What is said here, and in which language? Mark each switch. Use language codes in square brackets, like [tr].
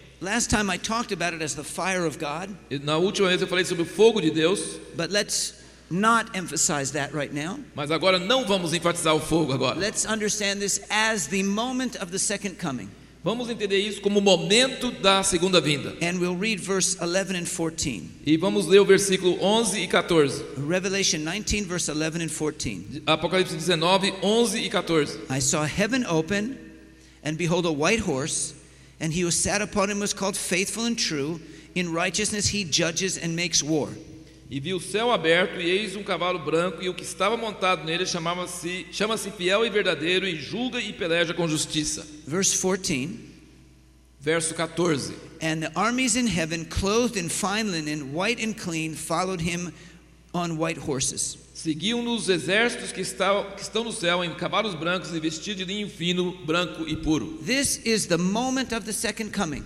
[en] Last time I talked about it as the fire of God. [pt] Na última vez eu falei sobre o fogo de Deus. [en] But let's not emphasize that right now. [pt] Mas agora não vamos enfatizar o fogo agora. [en] Let's understand this as the moment of the second coming. [pt] Vamos entender isso como o momento da segunda vinda. [en] And we'll read verse 11 and 14. [pt] E vamos ler o versículo 11 e 14. [en] Revelation 19, verse 11 and 14. [pt] Apocalipse 19, 11 e 14. [en] I saw heaven open, and behold a white horse, and he who sat upon him was called Faithful and True. In righteousness he judges and makes war. [pt] E vi o céu aberto, e eis um cavalo branco, e o que estava montado nele chama-se Fiel e Verdadeiro, e julga e peleja com justiça. [en] Verse 14. [pt] Verso 14. [en] And the armies in heaven, clothed in fine linen, white and clean, followed him on white horses. [pt] Seguiam-nos exércitos que estão no céu em cavalos brancos e vestidos de linho fino, branco e puro. [en] This is the moment of the second coming.